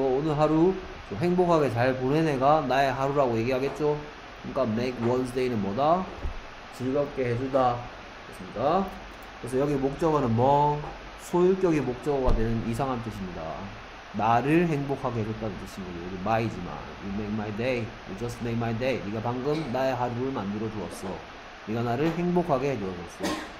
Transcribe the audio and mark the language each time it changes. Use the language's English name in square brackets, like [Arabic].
[Korean] 오늘 하루 좀 행복하게 잘 보낸 애가 나의 하루라고 얘기하겠죠. 그러니까 make one's day는 뭐다? 즐겁게 해주다. 그렇습니다. 그래서 여기 목적어는 뭐 소유격이 목적어가 되는 이상한 뜻입니다. 나를 행복하게 해줬다는 뜻입니다. 여기 my지만 [English] you make my day, you just make my day. [Korean] 네가 방금 나의 하루를 만들어 주었어. 네가 나를 행복하게 해주었어.